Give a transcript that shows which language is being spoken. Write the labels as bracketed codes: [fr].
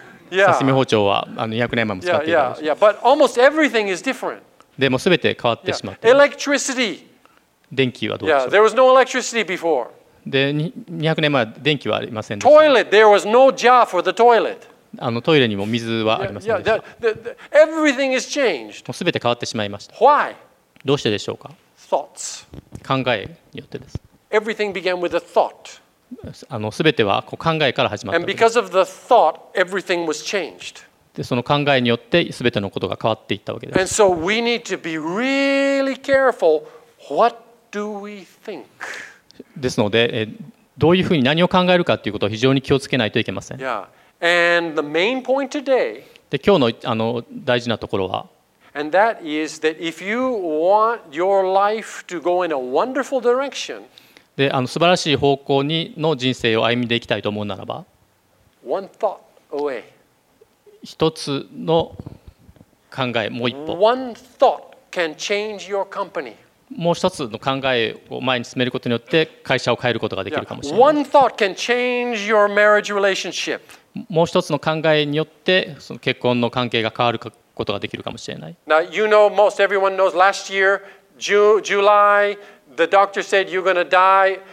[en] Yeah. [ja] 刺身包丁は200年前も使っていた。 [en] Yeah. But almost everything is different. [ja] でもすべて変わってしまった。 [en] Electricity. [ja] 電気はどうでしょう。 [en] Yeah. There was no electricity before. [ja] で200年前は電気はありませんでした。 [en] Toilet, there was no jar for the toilet. [ja] あのトイレにも水はありませんでした。 [en] Everything is changed. [ja] もうすべて変わってしまいました。 [en] Why? [ja] どうしてでしょうか。 [en] Thoughts. [ja] 考えによってです。 [en] Everything began with a thought. [ja] あのすべてはこう考えから始まった。 [en] And because of the thought, everything was changed. [ja] でその考えによってすべてのことが変わっていったわけです。 [en] And so we need to be really careful. What do we think? [ja] ですのでどういうふうに何を考えるかということを非常に気をつけないといけません。 [en] Yeah. And the main point today, [ja] で今日 の, あの大事なところは [en] And that is that if you want your life to go in a wonderful direction, [ja] であの素晴らしい方向にの人生を歩みでいきたいと思うならば [en] One thought away. [ja] 一つの考えもう一歩 [en] One thought can change your company. [ja] もう一つの考えを前に進めることによって会社を変えることができるかもしれない。 [en] One thought can change your marriage relationship. [ja] もう一つの考えによってその結婚の関係が変わることができるかもしれない。 [en] Now you know most everyone knows last year July the doctor said you're going to die.